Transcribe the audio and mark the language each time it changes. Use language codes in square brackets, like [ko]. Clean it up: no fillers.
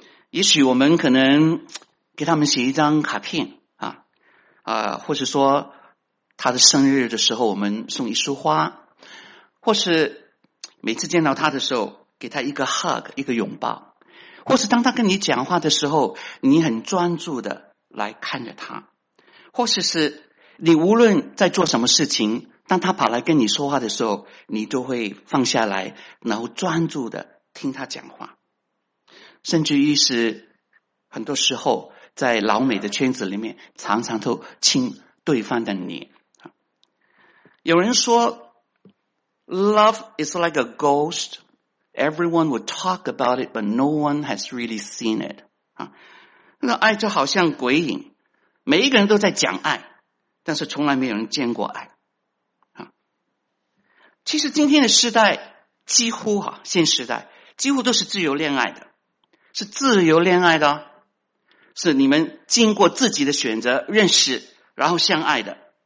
[zh] 也许我们可能给他们写一张卡片或是说他的生日的时候我们送一束花，或是每次见到他的时候给他一个 hug, 一个拥抱，或是当他跟你讲话的时候你很专注的来看着他，或是你无论在做什么事情，当他跑来跟你说话的时候你都会放下来然后专注的听他讲话。甚至于是很多时候在老美的圈子里面常常都亲对方的脸。有人说 [en] Love is like a ghost. Everyone would talk about it, but no one has really seen it. [zh] 那爱就好像鬼影，每一个人都在讲爱，但是从来没有人见过爱。其实今天的时代几乎现时代几乎都是自由恋爱的，是自由恋爱的，是你们经过自己的选择认识然后相爱的。